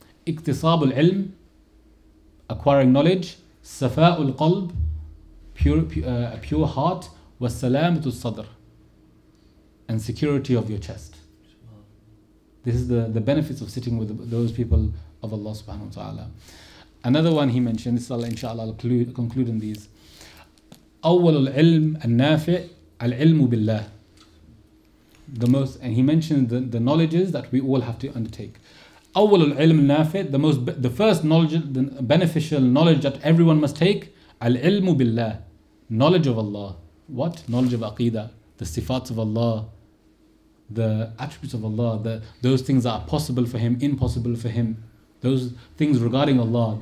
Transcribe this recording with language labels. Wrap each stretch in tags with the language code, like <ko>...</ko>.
<ar>اكتصاب العلم,</ar> <en>acquiring knowledge,</en> <ar>صفاء القلب,</ar> <en>pure heart,</en> <ar>والسلامة الصدر,</ar> <en>and security of your chest. This is the benefits of sitting with those people of Allah subhanahu wa ta'ala. Another one he mentioned, inshallah, I'll conclude in these.</en> <ar>أول العلم النافع العلم بالله.</ar> <en>The most, and he mentioned the knowledges that we all have to undertake.</en> <ar>أول العلم النافع,</ar> <en>the first knowledge, the beneficial knowledge that everyone must take,</en> <ar>العلم بالله,</ar> <en>knowledge of Allah. What? Knowledge of Aqeedah, the sifats of Allah, the attributes of Allah, those things that are possible for him, impossible for him, those things regarding Allah.</en>